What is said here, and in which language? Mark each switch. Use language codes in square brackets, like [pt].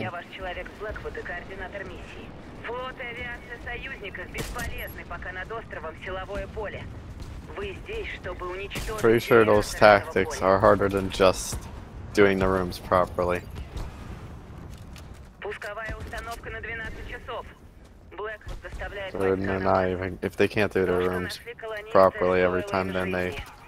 [ru] Я ваш человек с Блэквуд и координатор миссии. Флот и авиация союзников бесполезны, пока над островом силовое поле. Вы здесь, чтобы уничтожить... [en] Pretty sure those tactics are harder than just doing the rooms properly. [ru] Пусковая установка на 12 часов. Блэквуд заставляет... [en] So they're not even... If they can't do the rooms properly every time, then they...